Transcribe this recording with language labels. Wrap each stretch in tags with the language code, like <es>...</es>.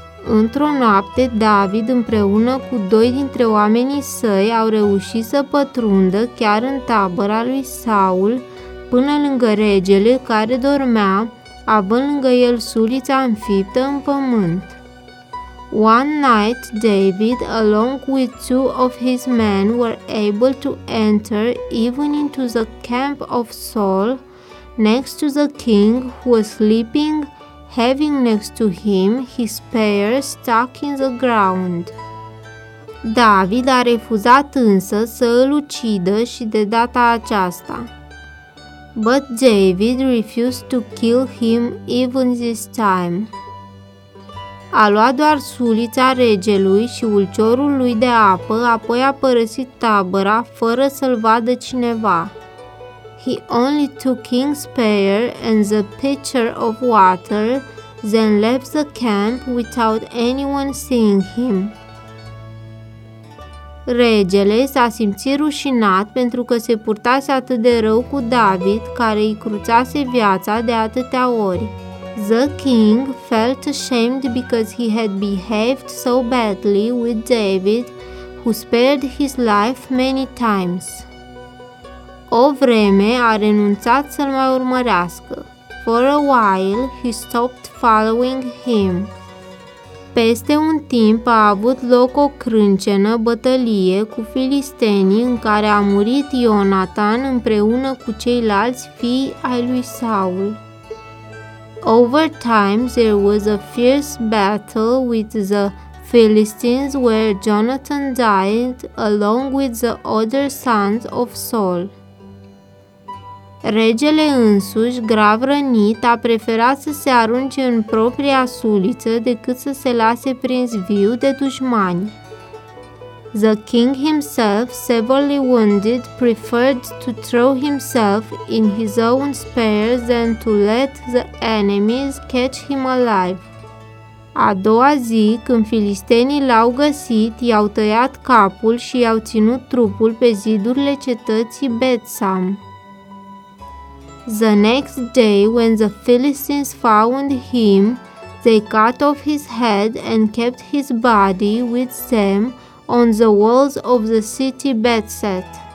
<ro>Într-o noapte, David împreună cu doi dintre oamenii săi au reușit să pătrundă chiar în tabăra lui Saul, până lângă regele care dormea, având lângă el sulița înfiptă în pământ.</ro> <en>One night, David, along with two of his men, were able to enter even into the camp of Saul, next to the king who was sleeping, having next to him his spear stuck in the ground.</en> <ro>David a refuzat însă să îl ucidă și de data aceasta.</ro> <en>But David refused to kill him even this time.</en> <ro>A luat doar sulița regelui și ulciorul lui de apă, apoi a părăsit tabăra fără să-l vadă cineva.</ro> <en>He only took king's spear and the pitcher of water, then left the camp without anyone seeing him.</en> <ro>Regele s-a simțit rușinat pentru că se purtase atât de rău cu David, care îi cruțase viața de atâtea ori.</ro> <en>The king felt ashamed because he had behaved so badly with David, who spared his life many times.</en> <ro>O vreme a renunțat să-l mai urmărească.</ro> <en>For a while, he stopped following him.</en> <ro>Peste un timp a avut loc o crâncenă bătălie cu filistenii în care a murit Ionatan împreună cu ceilalți fii ai lui Saul.</ro> <en>Over time, there was a fierce battle with the Philistines where Jonathan died along with the other sons of Saul.</en> <ro>Regele însuși, grav rănit, a preferat să se arunce în propria suliță decât să se lase prins viu de dușmani.</ro> <en>The king himself, severely wounded, preferred to throw himself in his own spear than to let the enemies catch him alive.</en> <ro>A doua zi, când filistenii l-au găsit, i-au tăiat capul și i-au ținut trupul pe zidurile cetății Bethsam.</ro> <en>The next day, when the Philistines found him, they cut off his head and kept his body with them on the walls of the city Bethset.</en>